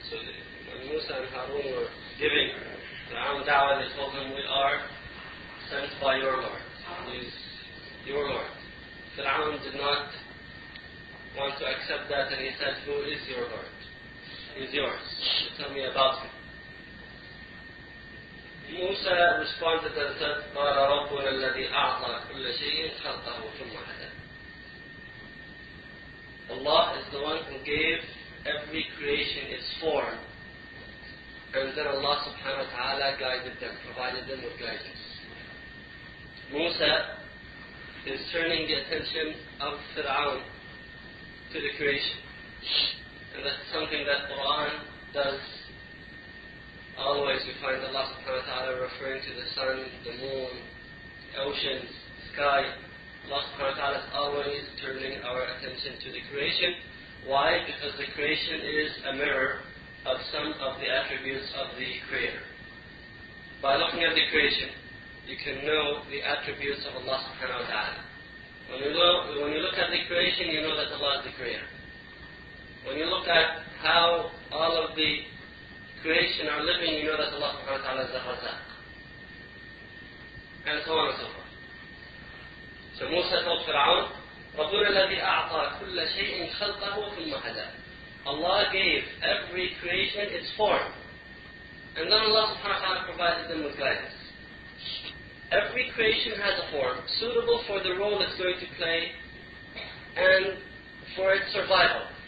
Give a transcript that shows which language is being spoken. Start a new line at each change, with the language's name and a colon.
English: So when Musa and Harun were giving Fir'aun da'wah, they told him, we are sent by your Lord. He is your Lord. Fir'aun did not want to accept that, and he said, who is your Lord? He's yours. So tell me about him. Musa responded and said,
Arabic: قَالَ رَبُّنَا الَّذِي أَعْطَى كُلَّ شَيْءٍ خَلْقَهُ ثُمَّ هَدَى.
English: Allah is the one who gave every creation its form, and then Allah subhanahu wa ta'ala guided them, provided them with guidance. Musa is turning the attention of Fir'aun to the creation. And that's something that Quran does always. We find Allah subhanahu wa ta'ala referring to the sun, the moon, the oceans, the sky. Allah subhanahu wa ta'ala is always turning our attention to the creation. Why? Because the creation is a mirror of some of the attributes of the Creator. By looking at the creation, you can know the attributes of Allah subhanahu wa ta'ala. When you look at the creation, you know that Allah is the Creator. When you look at how all of the creation are living, you know that Allah subhanahu wa ta'ala is the Razzaq. And so on and so forth. So Musa told Fir'aun,
Arabic: رَبُّنَا الَّذِي أَعْطَى كُلَّ شَيْءٍ خَلْقَهُ ثُمَّ هَدَى.
English: Allah gave every creation its form. And then Allah subhanahu wa ta'ala provided them with guidance. Every creation has a form suitable for the role it's going to play and for its survival.